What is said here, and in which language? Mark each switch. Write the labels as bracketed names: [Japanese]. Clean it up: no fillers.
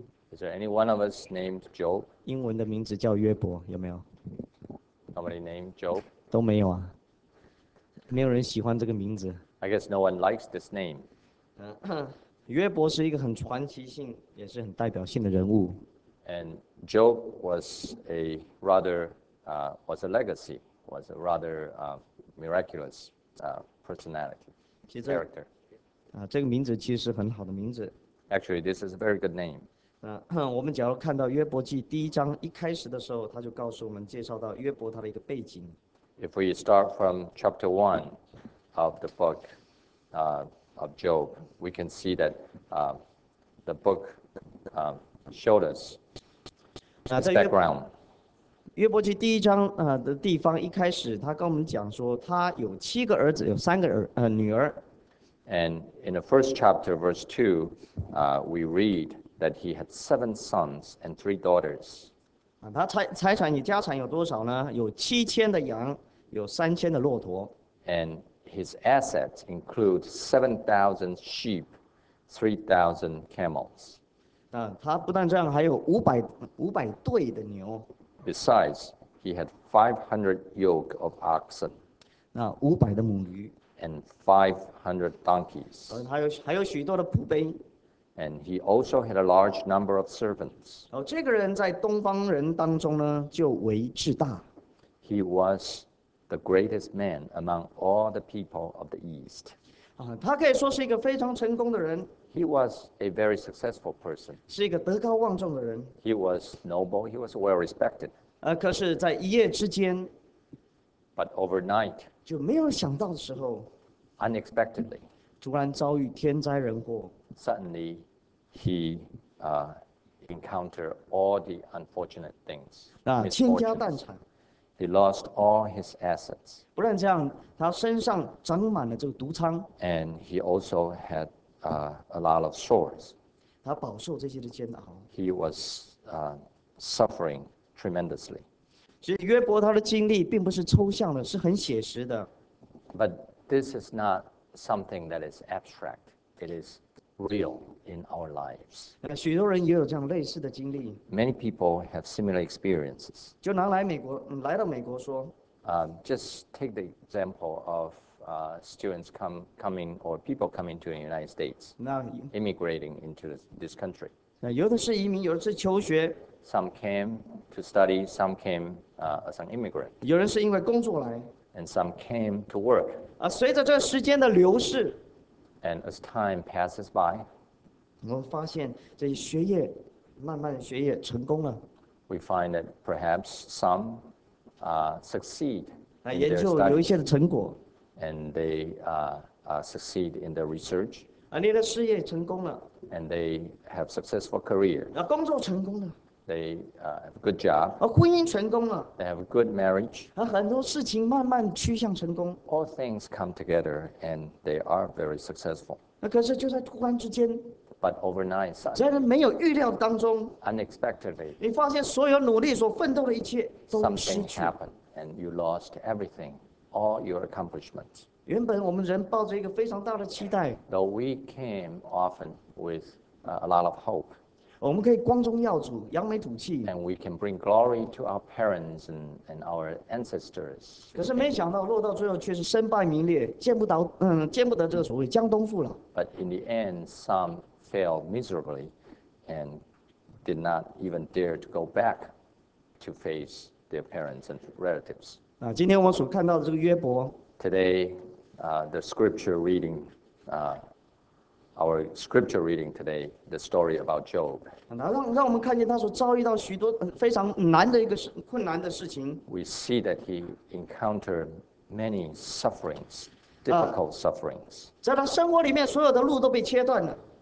[English] Is there any one of us named Job? [Chinese] 英文的名字叫约伯，有没有？ [English] Nobody named Job? [Chinese] 都没有啊，没有人喜欢这个名字。 [English] I guess no one likes this name. [Chinese] 约伯是一个很传奇性，也是很代表性的人物。 [English] And Job was a rather, was a legacy, was a rather, miraculous, personality, [Chinese] 其实， [English] character. [Chinese] 这个名字其实很好的名字。 [English] Actually, this is a very good name. [Chinese] 我们只要看到约伯记第一章一开始的时候，他就告诉我们介绍到约伯他的一个背景。 [English] If we start from chapter 1 of the book of Job, we can see that the book showed us his [Chinese] 在 [English] background. [Chinese] 约伯记第一章的地方一开始，他跟我们讲说，他有7个儿子，有3个女儿。 [English] And in the first chapter, verse 2, we read that he had 7 sons and 3 daughters. [Chinese] 他财产与家产有多少呢？有7000的羊，有3000的骆驼。 [English] And his assets include 7,000 sheep, 3,000 camels. [Chinese] 他不但这样，还有500对的牛。 [English] Besides, he had 500 yoke of oxen [Chinese] 500的母驴。 [English] and 500 donkeys. [Chinese] 还有许多的仆婢。 [English] And he also had a large number of servants. [Chinese] 这个人在东方人当中呢，就为至大。 [English] He was the greatest man among all the people of the East. [Chinese] 他可以说是一个非常成功的人， [English] He was a very successful person. [Chinese] 是一个德高望重的人。 [English] He was noble, he was well respected. [Chinese] 可是，在一夜之间， [English] But overnight, [Chinese] 就没有想到的时候， [English] unexpectedly, [Chinese] 突然遭遇天灾人祸。 [English] suddenly he encountered all the unfortunate things, [Chinese] 倾家荡 [English] misfortunes. [Chinese] 产。 [English] He lost all his assets. [Chinese] 不但这样，他身上长满了这个毒疮。 [English] And he also had a lot of sores. [Chinese] 他饱受这些的煎熬。 [English] He was suffering tremendously. [Chinese] 其实约伯他的经历并不是抽象的，是很写实的。 [English] But this is not something that is abstract. It is real in our lives. [Chinese] 许多人也有这样类似的经历。 [English] Many people have similar experiences. [Chinese] 就拿来美国，来到美国说。 [English] Just take the example of students coming or people coming to the United States, [Chinese] 那 [English] immigrating into this country. [Chinese] 那有的是移民，有的是求学。 [English] Some came to study, some came as an immigrant. [Chinese] 有人是因为工作来。 [English] And some came to work. [Chinese] 随着这时间的流逝， [English] And as time passes by, [Chinese] 我们发现这学业，慢慢学业成功了。 [English] we find that perhaps some succeed [Chinese] 来 [English] in [Chinese] 研 [English] their [Chinese] 究 [English] study, [Chinese] 有一些的成果。 [English] and they succeed in their research, [Chinese] 你的事业成功了。 [English] and they have successful career. [Chinese] 工作成功了。 [English] they have a good job. [Chinese] 婚姻成功了。 [English] they have a good marriage. [Chinese] 很多事情慢慢趋向成功。 [English] all things come together and they are very successful. [Chinese] 可是就在突然之间。 [English] But overnight, [Chinese] 在没有预料当中 [English] ，unexpectedly, [Chinese] 你发现所有努力所奋斗的一切都失 [English] something [Chinese] 去。 [English] happened, and you lost everything, all your accomplishments. [Chinese] 原本我们人抱着一个非常大的期待。 [English] Though we came often with a lot of hope, [Chinese] 我们可以光宗耀祖、扬眉吐气。 [English] And we can bring glory to our parents and our ancestors. [Chinese] 可是没想到落到最后却是身败名裂，见不得这个所谓江东父老。 [English] But in the end, some failed miserably and did not even dare to go back to face their parents and relatives. [Chinese] 今天我们所看到的这个约伯。 [English] Today, the scripture reading, our scripture reading today, the story about Job. [Chinese] 让我们看见他所遭遇到许多非常难的一个困难的事情。 [English] We see that he encountered many sufferings, difficult sufferings. [Chinese] 在他生活里面，所有的路都被切断了。